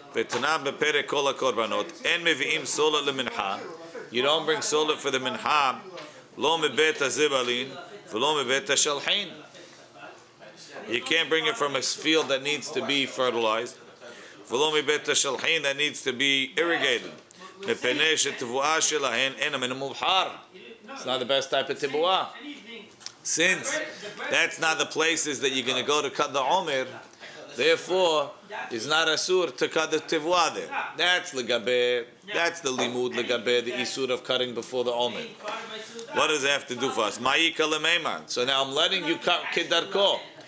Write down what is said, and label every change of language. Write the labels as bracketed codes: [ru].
[he] ותנא בפרק כל הקורבנות, אין מביאים סולת למנחה. [en] You don't bring [he] סולת for the מנחה, לא מבית הזבלין, ולא מבית השלחין. [en] You can't bring it from a field that needs to be fertilized. [he] ולא מבית השלחין [en] that needs to be irrigated. [he] מפני שתבואה שלהן אינה מן המובחר. [en] It's not the best type of תבואה. Since that's not the places that you're going to go to cut the Omer, therefore, it's not asur to cut the tevua there. That's legabe, that's the limud legabe, the isur of cutting before the omen. What does it have to do for us? [he] Ma'ika lemeiman. [en] So now I'm letting you cut kidarko.